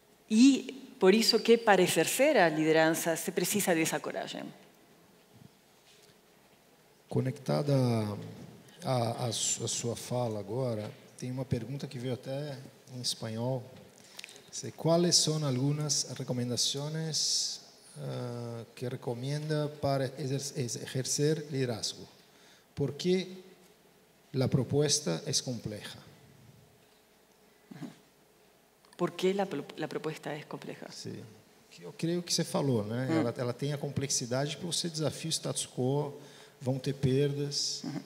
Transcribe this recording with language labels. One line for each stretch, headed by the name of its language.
Portuguese: E por isso que para exercer a liderança se precisa dessa coragem. Conectada a sua fala agora, tem uma pergunta que veio até em espanhol.
Spanish: ¿Cuáles son algunas recomendaciones que recomienda para ejercer liderazgo? ¿Por qué la propuesta es compleja? ¿Por qué la propuesta es compleja? Sí. Yo creo que usted
Portuguese: falou,
Spanish: ¿no?
Portuguese: Ela tem a complexidade porque você desafia o status quo, vão ter perdas.